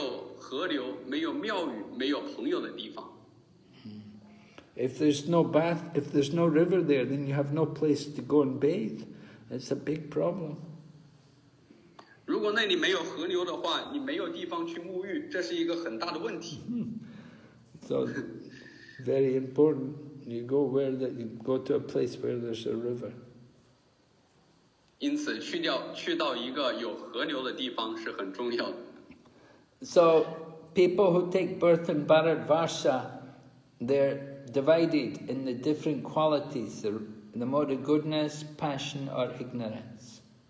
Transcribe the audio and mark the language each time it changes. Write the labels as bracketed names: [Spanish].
[Chinese] 不要去到一个那里没有河流、没有庙宇、没有朋友的地方。 [English] If there's no river there, then you have no place to go and bathe. That's a big problem. [Chinese] 如果那里没有河流的话，你没有地方去沐浴，这是一个很大的问题。 [English] So very important. You go where that you go to a place where there's a river. [Chinese] 因此去到一个有河流的地方是很重要的。 [English] So, people who take birth in Bharatvarsha, they're divided in the different qualities, the mode of goodness, passion, or ignorance.